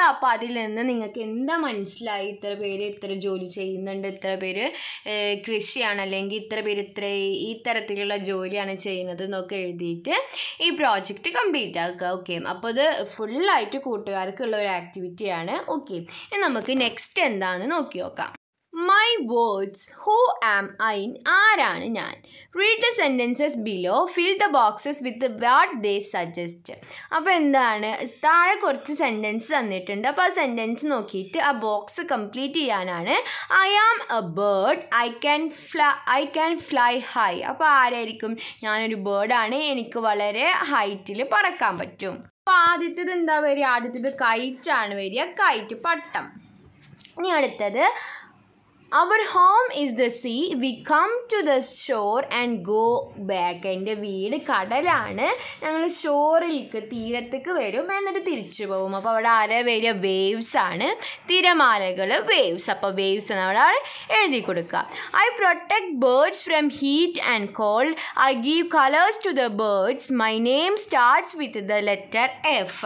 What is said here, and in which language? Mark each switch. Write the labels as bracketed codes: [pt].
[ml] അപ്പോൾ അതിൽ നിന്ന് നിങ്ങൾക്ക് എന്താ മനസ്സിലായി, ഇത്ര പേര് ഇത്ര ജോലി ചെയ്യുന്നുണ്ട്, ഇത്ര പേര് കൃഷിയാണ്, അല്ലെങ്കിൽ ഇത്ര പേര് ഇത്ര ഈ തരത്തിലുള്ള ജോലിയാണ് ചെയ്യുന്നത് എന്നൊക്കെ എഴുതിയിട്ട് ഈ പ്രോജക്റ്റ് കംപ്ലീറ്റ് ആക്കുക. ഓക്കെ, അപ്പോൾ അത് ഫുള്ളായിട്ട് കൂട്ടുകാർക്കുള്ള ഒരു ആക്ടിവിറ്റിയാണ്. ഓക്കെ, ഇനി നമുക്ക് നെക്സ്റ്റ് എന്താണെന്ന് നോക്കി നോക്കാം. [en] My words, who am I? [ml] ആരാണ് ഞാൻ? [en] Read the sentences below, fill the boxes with what they suggest. [ml] അപ്പോൾ എന്താണ്, താഴെ കുറച്ച് സെൻറ്റൻസ് തന്നിട്ടുണ്ട്. അപ്പോൾ ആ സെൻറ്റൻസ് നോക്കിയിട്ട് ആ ബോക്സ് കംപ്ലീറ്റ് ചെയ്യാനാണ്. [en] I am a bird, I can fly high. [ml] അപ്പോൾ ആരായിരിക്കും, ഞാനൊരു ബേർഡാണ്, എനിക്ക് വളരെ ഹൈറ്റിൽ പറക്കാൻ പറ്റും. അപ്പോൾ ആദ്യത്തത് എന്താ വരിക, ആദ്യത്തത് കൈറ്റ് ആണ് വരിക, കൈറ്റ് പട്ടം. ഇനി അടുത്തത് [en] Our home is the sea. We come to the shore and go back. [ml] എൻ്റെ വീട് കടലാണ്, ഞങ്ങൾ ഷോറിലേക്ക് തീരത്തേക്ക് വരും, എന്നിട്ട് തിരിച്ചു പോകും. അപ്പോൾ അവിടെ ആരാ വരിക, വേവ്സ് ആണ്, തിരമാലകൾ, വേവ്സ്. അപ്പോൾ വേവ്സ് എന്ന് അവിടെ എഴുതി കൊടുക്കുക. [en] I protect birds from heat and cold. I give colours to the birds. My name starts with the letter F.